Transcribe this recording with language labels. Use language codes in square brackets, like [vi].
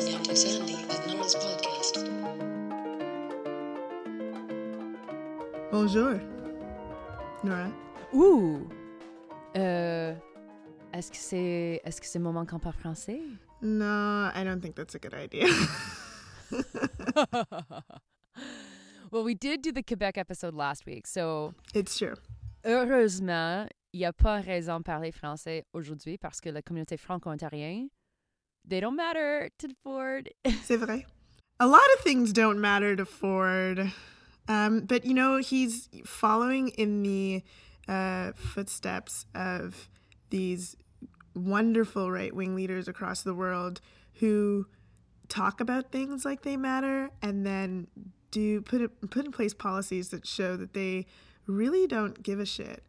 [en] It's Andy with Noah's Podcast. [fr] Bonjour, Nora. Ooh. Est-ce que c'est mon manquant par français? [en] No, I don't think that's a good idea. Well, we did do the Quebec episode last week, so... It's true. [fr] Heureusement, il n'y a pas raison de parler français aujourd'hui parce que la communauté franco-ontarienne, [en] they don't matter to Ford. [fr] C'est vrai. [en] A lot of things don't matter to Ford. But, you know, he's following in the footsteps of these wonderful right-wing leaders across the world who talk about things like they matter and then put in place policies that show that they really don't give a shit.